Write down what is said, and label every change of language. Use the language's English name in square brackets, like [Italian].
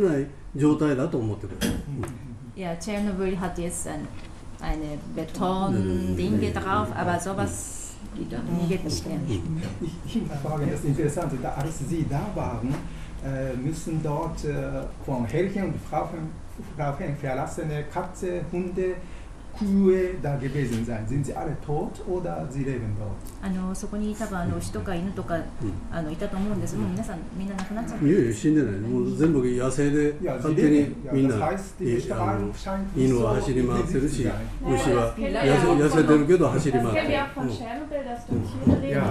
[Japanese] いや、ってことはですね、まあそこが核廃棄物みたいなんでしょう。特別ゴミみたいになってるってことですよね。チェルノブイリのように死の棺桶にね、する直前の、全くしてない状態だと思ってください。Ja, [German] Tschernobyl hat jetzt eine Betondinge drauf, aber sowas geht dann nicht. Ich frage, das ist interessant, da als Sie da waren, müssen dort von Herrchen und Frauchen verlassene Katze, Hunde, Kühe da gewesen sein. Sind sie alle tot oder sie leben dort? [Japanese] そこにいた人か犬とか、いたと思うんです。みんな亡くなっちゃった。いやいや、死んでない。全部野生で、勝手にみんな、犬は走り回ってるし、牛は痩せてるけど走り回ってる。